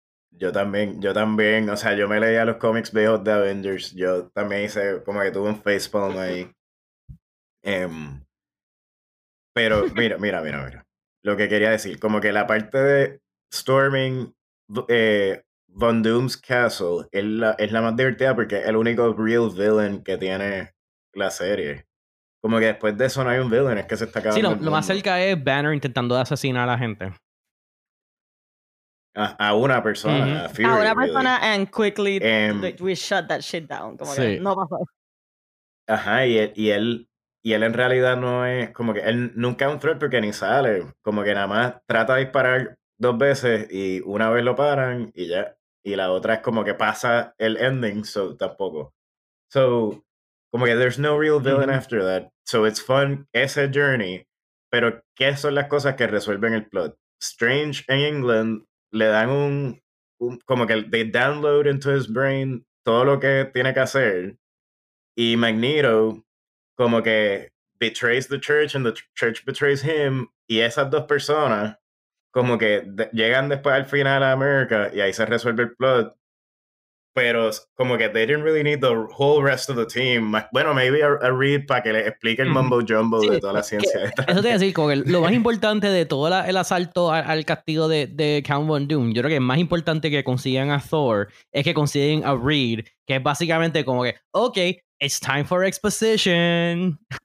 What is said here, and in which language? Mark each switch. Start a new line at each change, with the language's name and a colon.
Spanish: Yo también, o sea, yo me leía los cómics viejos de Avengers, yo también hice, como que tuve un facepalm ahí, pero mira, lo que quería decir, como que la parte de
English: storming Von Doom's castle
Spanish: es la más divertida porque es el único
English: real villain
Spanish: que tiene la serie. Como que después de eso no hay un villain, es que se está acabando. Sí, lo más cerca es Banner intentando asesinar a la gente. A una persona. Mm-hmm. A una persona really.
English: And quickly we shut that shit down.
Spanish: Como sí. Que no pasó. Ajá, y él en realidad no es, como que él nunca es un threat porque ni sale. Como que nada más trata de disparar dos veces y una vez lo paran y ya. Y la otra es como que pasa el ending, so tampoco.
English: So,
Spanish: como que
English: there's no real villain after that. So it's fun,
Spanish: ese journey. Pero, ¿qué son las cosas que resuelven el plot? Strange en England le dan un como que
English: they download into his brain
Spanish: todo lo que tiene que hacer. Y Magneto como que
English: betrays the church and the church betrays him.
Spanish: Y esas dos personas como que llegan después al final a América y ahí se resuelve el plot. Pero como que
English: they didn't really need the whole rest of the team.
Spanish: Bueno, maybe a Reed para que le explique el mumbo jumbo de toda la ciencia. Eso te voy a decir, como que lo más importante de todo el asalto al castigo de Count Von Doom, yo creo que es más importante que consigan a Thor es que consiguen a Reed, que es básicamente como que,
English: ok, it's time for exposition.